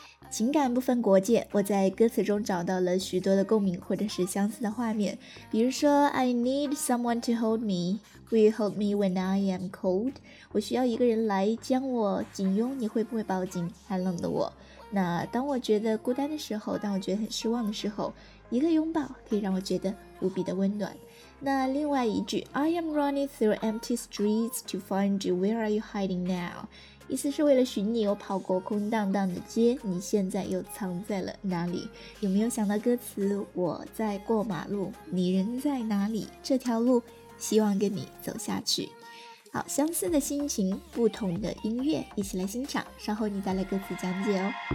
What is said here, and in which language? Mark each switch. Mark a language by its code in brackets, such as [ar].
[zh] 情感不分国界，我在歌词中找到了许多的共鸣或者是相似的画面，比如说 [en] I need someone to hold me, will you hold me when I am cold? [zh] 我需要一个人来将我紧拥，你会不会抱紧寒冷的我？那当我觉得孤单的时候，当我觉得很失望的时候，一个拥抱可以让我觉得无比的温暖。那另外一句 [en] I am running through empty streets to find you, where are you hiding now? [zh] 意思是为了寻你，我跑过空荡荡的街，你现在又藏在了哪里？有没有想到歌词，我在过马路，你人在哪里？这条路希望跟你走下去。好，相似的心情，不同的音乐，一起来欣赏，稍后你再来歌词讲解哦。